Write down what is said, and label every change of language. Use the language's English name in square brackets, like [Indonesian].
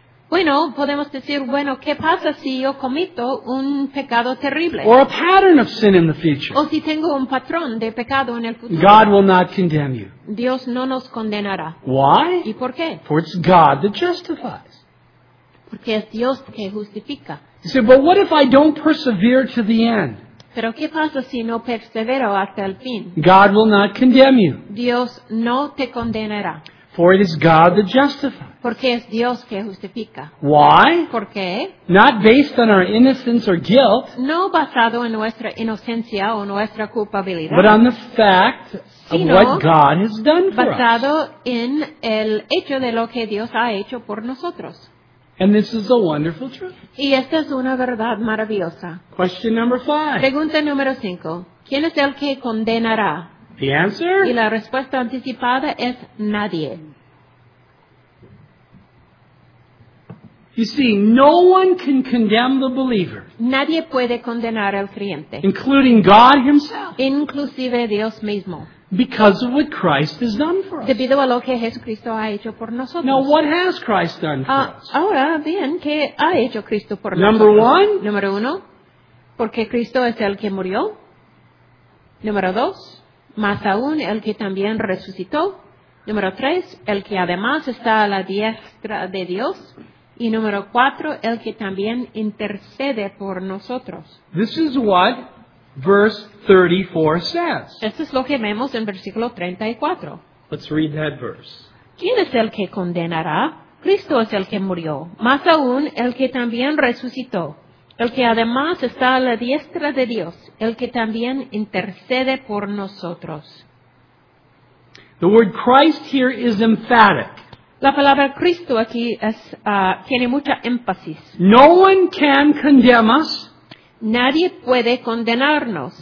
[Spanish] Bueno, podemos decir, bueno, ¿qué pasa si yo cometo un pecado terrible? [English] Or a pattern of sin in the future. [Spanish] O si tengo un patrón de pecado en el futuro. [English] God will not condemn you. [Spanish] Dios no nos condenará. [English] Why? [Spanish] ¿Y por qué? [English] For it's God that justifies. [Spanish] Porque es Dios que justifica. [English] You say, but what if I don't persevere to the end? [Spanish] Pero ¿qué pasa si no persevero hasta el fin? [English] God will not condemn you. [Spanish] Dios no te condenará. [English] For it is God that justifies. [Spanish] Porque es Dios que justifica. [English] Why? [Spanish] ¿Por qué? [English] Not based on our innocence or guilt. [Spanish] No basado en nuestra inocencia o nuestra culpabilidad. [English] But on the fact of what God has done for us. [Spanish] Basado en el hecho de lo que Dios ha hecho por nosotros. [English] And this is a wonderful truth. [Spanish] Y esta es una verdad maravillosa. [English] Question number 5. [Spanish] Pregunta número 5. ¿Quién es el que condenará? [English] The answer? [Spanish] Y la respuesta anticipada es nadie. [English] You see, no one can condemn the believer. [Spanish] Nadie puede condenar al creyente. [English] Including God himself. [Spanish] Inclusive Dios mismo. [English] Because of what Christ has done for us. [Spanish] Debido a lo que Jesucristo ha hecho por nosotros. [English] Now, what has Christ done for us? [Spanish] Ahora, bien, ¿qué ha hecho Cristo por [English] Number [Spanish] nosotros? [English] Number one. [Spanish] Número uno. Porque Cristo es el que murió. Número dos. Más aún, el que también resucitó. Número tres. El que además está a la diestra de Dios. Y número cuatro. El que también intercede por nosotros. [English] This is what verse 34 says. [Spanish] Esto es lo que vemos en versículo 34. [English] Let's read that verse. [Spanish] ¿Quién es el que condenará? Cristo es el que murió. Más aún, el que también resucitó. El que además está a la diestra de Dios. El que también intercede por nosotros. [English] The word Christ here is emphatic. [Spanish] La palabra Cristo aquí es, tiene mucha énfasis. [English] No one can condemn us. [Spanish] Nadie puede condenarnos.